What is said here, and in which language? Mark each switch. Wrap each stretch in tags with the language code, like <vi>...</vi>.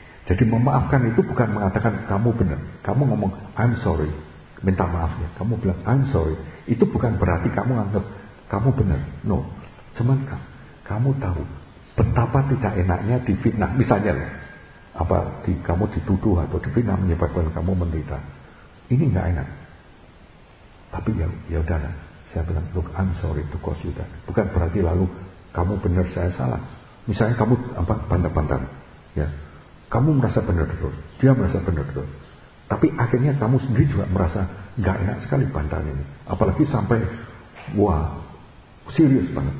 <id>Jadi memaafkan itu bukan mengatakan kamu benar. Kamu ngomong,</id> <en>I'm sorry,</en> <id>minta maafnya. Kamu bilang, I'm sorry. Itu bukan berarti kamu anggap kamu benar. No, cuman kamu tahu betapa tidak enaknya difitnah. Misalnya lah. Apa kamu dituduh atau difitnah menyebabkan kamu menderita, ini enggak enak. Tapi ya udahlah, saya bilang</id> <en>look I'm sorry to cause you that.</en> <id>Bukan berarti lalu kamu benar saya salah. Misalnya kamu apa pantang-pantang, ya kamu merasa benar terus, dia merasa benar terus. Tapi akhirnya kamu sendiri juga merasa enggak enak sekali pantang ini. Apalagi sampai wah serius banget.</id>